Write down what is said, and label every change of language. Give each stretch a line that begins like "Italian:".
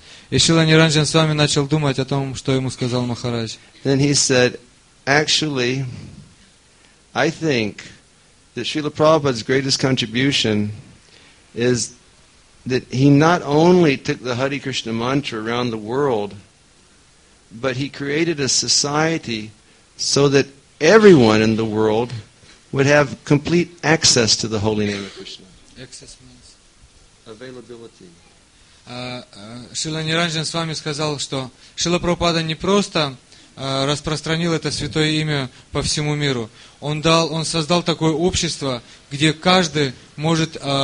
Russian: И Шрила Ниранджан Свами начал думать о том, что ему сказал Махарадж.
English: Then he said, "Actually, I think that Srila Prabhupada's greatest contribution is that he not only took the Hare Krishna mantra around the world, but he created a society so that everyone in the world would have complete access to the holy name of Krishna." Access means availability.
Russian: Шрила Ниранджан Свами сказал, что Шрила Прабхупада не просто распространил это святое имя по всему миру. Он создал такое общество, где каждый может